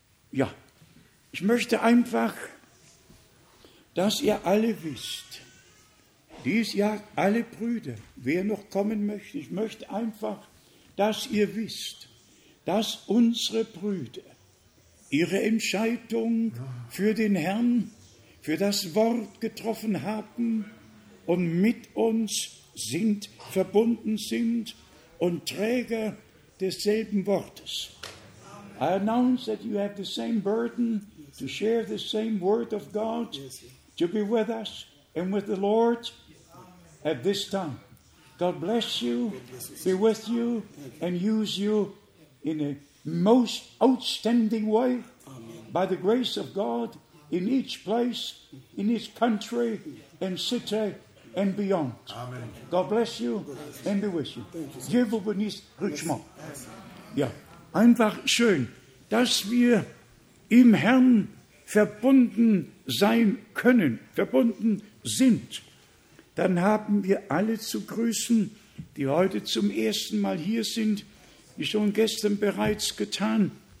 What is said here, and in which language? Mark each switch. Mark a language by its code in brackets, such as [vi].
[de] Ja, ich möchte einfach, dass ihr alle wisst, dies Jahr alle Brüder, wer noch kommen möchte, ich möchte einfach, dass ihr wisst, dass unsere Brüder ihre Entscheidung für den Herrn, für das Wort getroffen haben und mit uns sind, verbunden sind und Träger desselben Wortes. [en] I announce that you have the same burden to share the same word of God, to be with us and with the Lord at this time. God bless you, be with you and use you in a most outstanding way by the grace of God in each place, in each country and city and beyond. Amen. God bless you and be with you. [fr] Dieu vous bénisse richement. [de] Ja, einfach schön, dass wir im Herrn verbunden sein können, verbunden sind. Dann haben wir alle zu grüßen, die heute zum ersten Mal hier sind, wie schon gestern bereits getan.